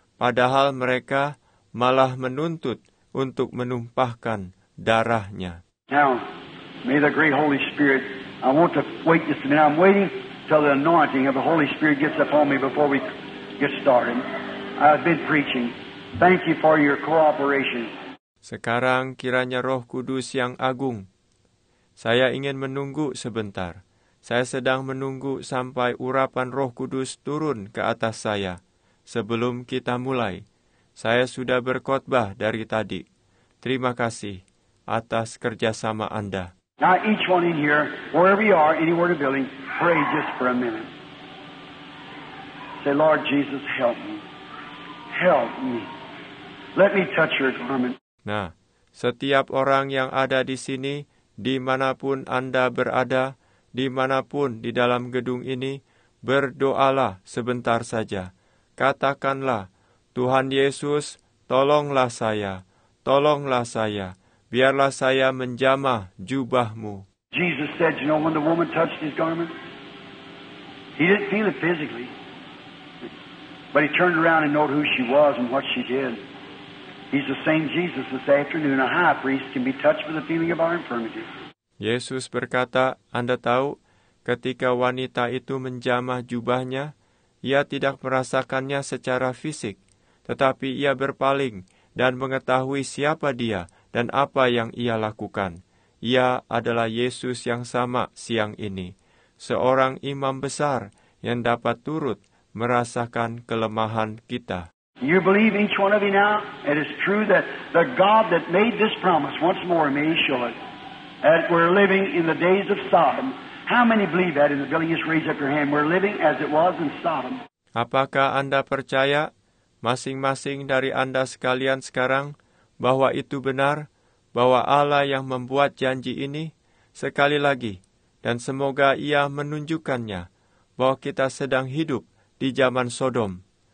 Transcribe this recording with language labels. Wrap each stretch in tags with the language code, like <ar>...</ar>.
<id>Padahal mereka malah menuntut untuk menumpahkan darahnya.</id> <en>Now, may the great Holy Spirit, I want to wait just a minute. I'm waiting till the anointing of the Holy Spirit gets upon me before we get started. I've been preaching. Thank you for your cooperation.</en> <id>Sekarang kiranya Roh Kudus yang agung. Saya ingin menunggu sebentar. Saya sedang menunggu sampai urapan Roh Kudus turun ke atas saya. Sebelum kita mulai, saya sudah berkhotbah dari tadi. Terima kasih atas kerjasama Anda.</id> <en>Now each one in here, wherever you are, anywhere in the building, pray just for a minute. Say, Lord Jesus, help me. Help me. Let me touch your garment.</en> <id>Nah, setiap orang yang ada di sini, dimanapun Anda berada, dimanapun di dalam gedung ini, berdoalah sebentar saja. Katakanlah, Tuhan Yesus, tolonglah saya, tolonglah saya, biarlah saya menjamah jubah-Mu.</id> <en>Jesus said, you know, when the woman touched his garment, he didn't feel it physically, but he turned around and knew who she was and what she did. He's the same Jesus this afternoon. A high priest can be touched with the feeling of our infirmity.</en> <id>Yesus berkata, Anda tahu, ketika wanita itu menjamah jubahnya, ia tidak merasakannya secara fisik, tetapi ia berpaling dan mengetahui siapa dia dan apa yang ia lakukan. Ia adalah Yesus yang sama siang ini, seorang imam besar yang dapat turut merasakan kelemahan kita.</id> <en>You believe each one of you now? It is true that the God that made this promise once more may show it. That we're living in the days of Sodom. How many believe that in the building? Just raise up your hand. We're living as it was in Sodom.</en> <id>Apakah Anda percaya, masing-masing dari Anda sekalian sekarang, bahwa itu benar, bahwa Allah yang membuat janji ini, sekali lagi, dan semoga Ia menunjukkannya, bahwa kita sedang hidup di zaman Sodom.</id>